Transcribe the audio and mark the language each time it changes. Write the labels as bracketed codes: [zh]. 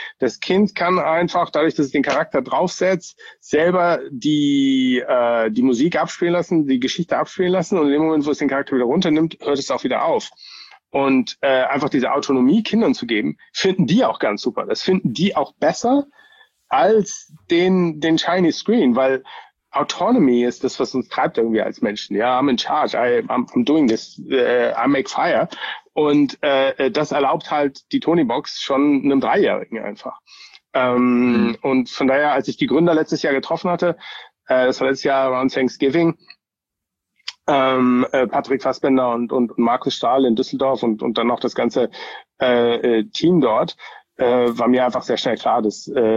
[de] Das Kind kann einfach, dadurch, dass es den Charakter draufsetzt, selber die Musik abspielen lassen, die Geschichte abspielen lassen und in dem Moment, wo es den Charakter wieder runternimmt, hört es auch wieder auf. Und einfach diese Autonomie Kindern zu geben, finden die auch ganz super. Das finden die auch besser als den shiny screen, weil autonomy ist das, was uns treibt irgendwie als Menschen. [en] Ja, I'm in charge, I'm doing this, I make fire. [de] Und das erlaubt halt die Tonybox schon einem Dreijährigen einfach. Und von daher, als ich die Gründer letztes Jahr getroffen hatte, das war letztes Jahr [en] around Thanksgiving, [de] Patrick Fassbender und Markus Stahl in Düsseldorf und dann noch das ganze Team dort, war mir einfach sehr schnell klar, dass